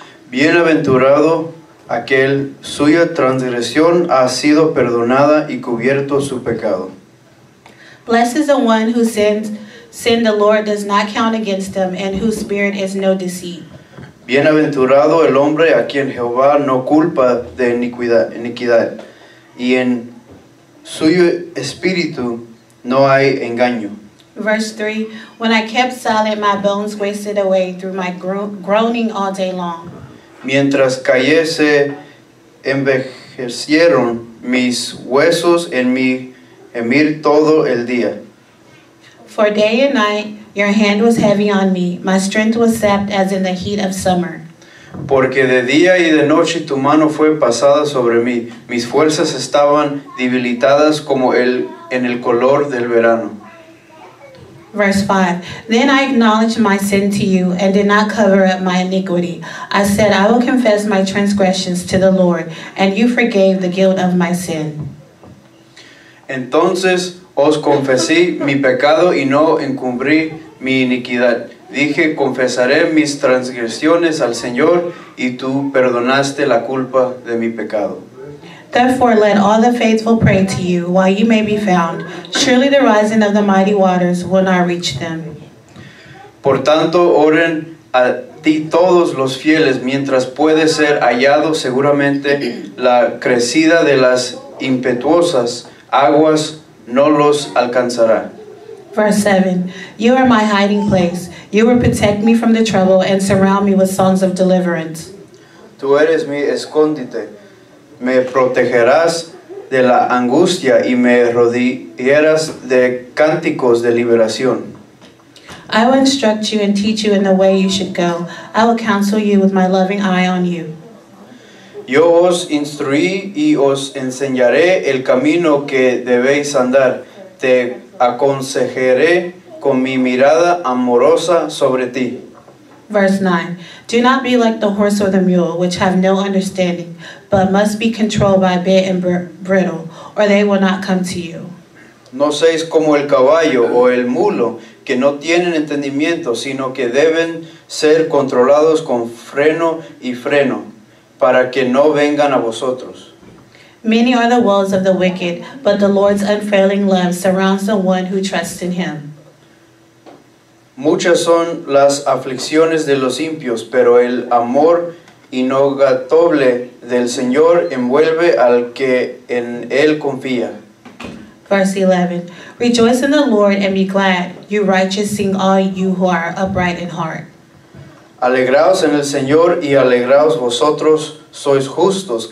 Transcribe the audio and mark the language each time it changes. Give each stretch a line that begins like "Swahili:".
Spanish: Bienaventurado aquel cuya transgresión ha sido perdonada y cubierto su pecado.
English: Blessed is the one whose sin the Lord does not count against them, and whose spirit is no deceit.
Spanish: Bienaventurado el hombre a quien Jehová no culpa de iniquidad, y en suyo espíritu no hay engaño.
English: Verse 3, when I kept silent, my bones wasted away through my groaning all day long.
Spanish: Mientras callé, se envejecieron mis huesos en mi gemir todo el día.
English: For day and night, your hand was heavy on me. My strength was sapped as in the heat of summer.
Spanish: Porque de día y de noche tu mano fue pasada sobre mí. Mis fuerzas estaban debilitadas como en el color del verano. Verse 5.
English: Then I acknowledged my sin to you and did not cover up my iniquity. I said, I will confess my transgressions to the Lord, and you forgave the guilt of my sin.
Spanish: Entonces os confesé mi pecado y no encubrí mi iniquidad. Dije, confesaré mis transgresiones al Señor, y tú perdonaste la culpa de mi pecado.
English: Therefore, let all the faithful pray to you while you may be found. Surely the rising of the mighty waters will not reach them.
Spanish: Por tanto, oren a ti todos los fieles mientras puede ser hallado. Seguramente la crecida de las impetuosas aguas no los alcanzará.
English: Verse 7. You are my hiding place. You will protect me from the trouble and surround me with songs of deliverance.
Spanish: Tú eres mi escondite. Me protegerás de la angustia y me rodearás de cánticos de liberación.
English: I will instruct you and teach you in the way you should go. I will counsel you with my loving eye on you.
Spanish: Yo os instruí y os enseñaré el camino que debéis andar. Te aconsejaré con mi mirada amorosa sobre ti.
English: Verse 9. Do not be like the horse or the mule, which have no understanding, but must be controlled by bit and bridle, or they will not come to you.
Spanish: No seáis como el caballo o el mulo, que no tienen entendimiento, sino que deben ser controlados con freno y freno, para que no vengan a vosotros.
English: Many are the woes of the wicked, but the Lord's unfailing love surrounds the one who trusts in him.
Spanish: Muchas son las aflicciones de los impios, pero el amor inagotable del Señor envuelve al que en él confía.
English: Verse 11. Rejoice in the Lord and be glad, you righteous, sing all you who are upright in heart.
Spanish: Alegraos en el Señor y alegraos vosotros, sois justos.